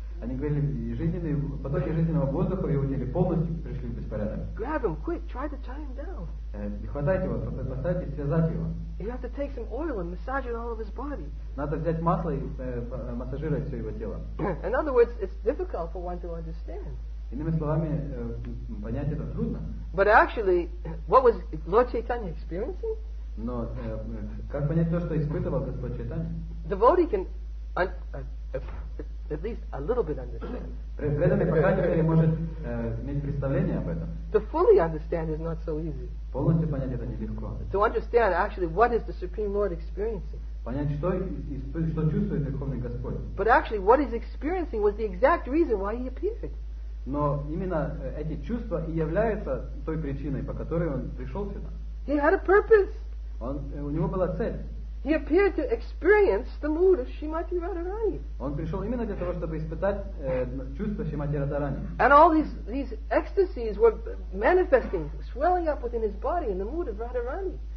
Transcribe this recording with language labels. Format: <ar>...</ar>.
<ru>Они говорили, жизненные потоки жизненного воздуха в его теле полностью пришли в беспорядок.</ru> <en>Grab him quick, try to tie him down.</en> <ru>Хватайте его, попытайтесь связать его.</ru> <en>You have to take some oil and massage it all of his body.</en> <ru>Надо взять масло и массажировать все его тело.</ru> <en>In other words, it's difficult for one to understand.</en> <ru>Иными словами, понять это трудно.</ru> <en>But actually, what was Lord Chaitanya experiencing?</en> <ru>Но как понять то, что испытывал Господь Чайтанья?</ru> <en>Devotee can at least a little bit understand.</en> <ru>Преданный по крайней мере может иметь представление об этом.</ru> <en>To fully understand is not so easy.</en> <ru>Полностью понять это нелегко.</ru> <en>To understand actually what is the Supreme Lord experiencing.</en> <ru>Понять, что чувствует Верховный Господь.</ru> <en>But actually what he's experiencing was the exact reason why he appeared.</en> <ru>Но именно эти чувства и являются той причиной, по которой он пришел сюда.</ru> <en>He had a purpose.</en> <ru>У него была цель.</ru> <en>He appeared to experience the mood of Shrimati Radharani.</en> <ru>Он пришел именно для того, чтобы испытать чувства Шримати Радхарани.</ru> <en>And all these ecstasies were manifesting, swelling up within his body in the mood of Radharani.</en>